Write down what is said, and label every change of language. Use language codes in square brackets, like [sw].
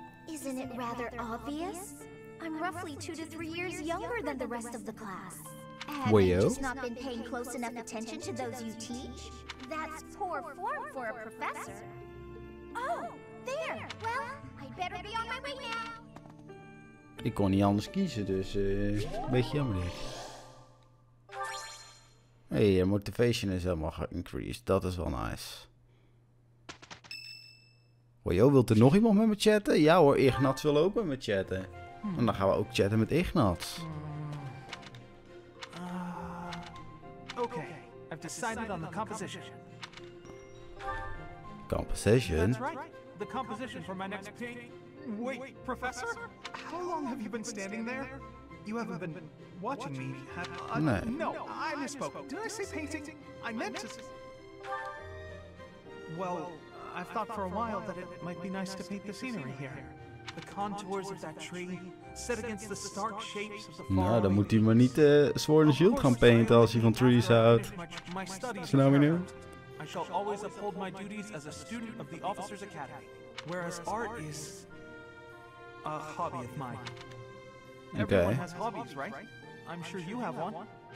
[en] Isn't it rather obvious? I'm roughly 2 to 3 years younger than the rest of the class. Have you just not been paying close enough attention to those you teach? That's poor form for a professor. Oh, there! Well, I'd better be on my way now. [nl] Ik kon niet anders kiezen, dus een beetje jammer dit. [en] Hey, your motivation is [nl] helemaal geïncreased. Dat is wel nice. Wajo, wilt er nog iemand met me chatten? Ja hoor, Ignatz wil ook met me chatten. En dan gaan we ook chatten met Ignatz. [en] Oké, I've decided on the composition. Composition? That's right, the composition for my next painting. Wait, professor? How long have you been standing there? You haven't been watching me, have you? No, I misspoke. Did I say painting? I meant to... Well, I've thought for a while that it might be nice to paint the scenery here. The contours of that tree, set against the stark shapes of the forest. [nl] Nou, dan moet hij maar niet Sword and Shield gaan painten als hij van Trees houdt. Is dat nou benieuwd? [en] I shall always uphold my duties as a student of the Officer's Academy. Whereas art is... a hobby of mine. Okay. Everyone has hobbies, right? I'm sure you have one.